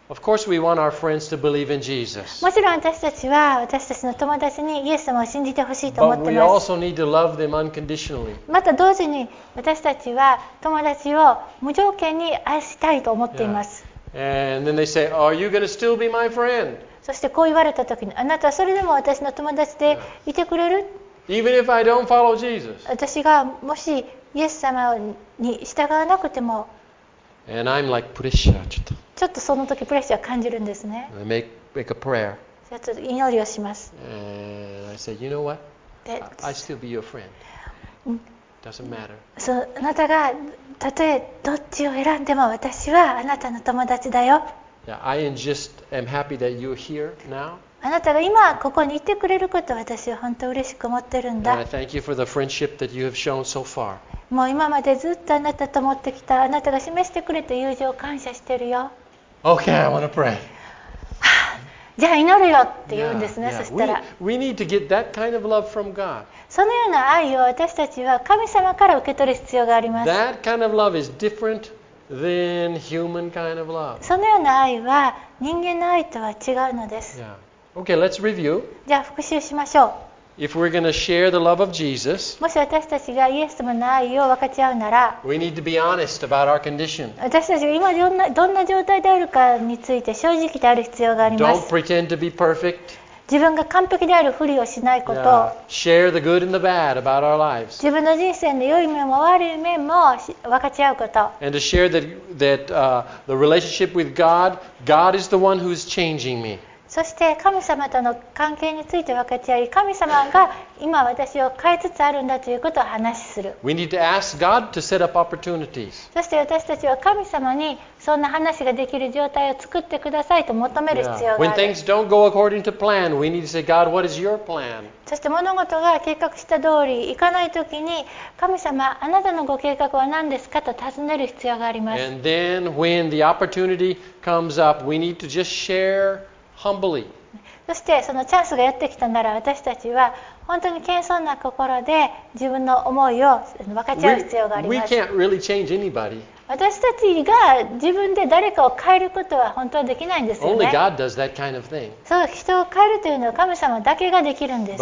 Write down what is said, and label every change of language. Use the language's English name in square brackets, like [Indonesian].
[English] Of course we want our friends to believe in Jesus. [Japanese] もちろん私たちは私たちの友達にイエス様を信じてほしいと思ってます。 [English] But we also need to love them unconditionally. [Japanese] また同時に私たちは友達を無条件に愛したいと思っています。 [English] Yeah. And then they say, are you going to still be my friend? [Japanese] そしてこう言われたときに、あなたはそれでも私の友達でいてくれる? [English] Even if I don't follow Jesus. [Japanese] 私がもしイエス様に従わなくても、 [English] And I'm like pressure. [Japanese] ちょっとその時プレッシャー感じるんですね。 [English] I make a prayer. [Japanese] ちょっと祈りをします。 [English] And I say, you know what? I still be your friend. Doesn't matter. [Japanese] そう、あなたがたとえどっちを選んでも私はあなたの友達だよ。 [English] I just am happy that you're here now. [Japanese] あなたが今ここにいてくれることを私は本当に嬉しく思ってるんだ。 [English] And I thank you for the friendship that you have shown so far. [Japanese] もう今までずっとあなたと思ってきた、あなたが示してくれた友情を感謝してるよ。 [English] Okay, I want to pray. [Japanese] じゃあ祈るよって言うんですね、そしたら。 [English] We need to get that kind of love from God. [Japanese] そのような愛を私たちは神様から受け取る必要があります。 [English] That kind of love is different. Then human kind of love. [Japanese] そのような愛は人間の愛とは違うのです。 [English] Yeah. Okay, let's review. [Japanese] じゃあ復習しましょう。 [English] If we're going to share the love of Jesus, [Japanese] もし私たちがイエス様の愛を分かち合うなら、 [English] we need to be honest about our condition. [Japanese] 私たちが今どんな状態であるかについて正直である必要があります。 [English] Don't pretend to be perfect. [Japanese] 自分が完璧であるふりをしないこと、 [English] share the good and the bad about our lives. [Japanese] 自分の人生の良い面も悪い面も分かち合うこと、 [English] and to share the relationship with God, God is the one who is changing me. [Japanese] そして神様との関係について分かち合い、神様が今私を変えつつあるんだということを話しする。 [English] We need to ask God to set up opportunities. [Japanese] そして私たちは神様にそんな話ができる状態を作ってくださいと求める必要がある。 [English] When things don't go according to plan, we need to say, God, what is your plan? [Japanese] そして物事が計画した通りいかないときに、神様、あなたのご計画は何ですかと尋ねる必要があります。 [English] And then when the opportunity comes up, we need to just share humbly. [Japanese] そしてそのチャンスがやってきたなら、私たちは本当に謙遜な心で自分の思いを分かち合う必要があります。 [English] We can't really change anybody. [Japanese] 私たちが自分で誰かを変えることは本当はできないんですよね。 [English] Only God does that kind of thing. [Japanese] そう、人を変えるというのは神様だけができるんです。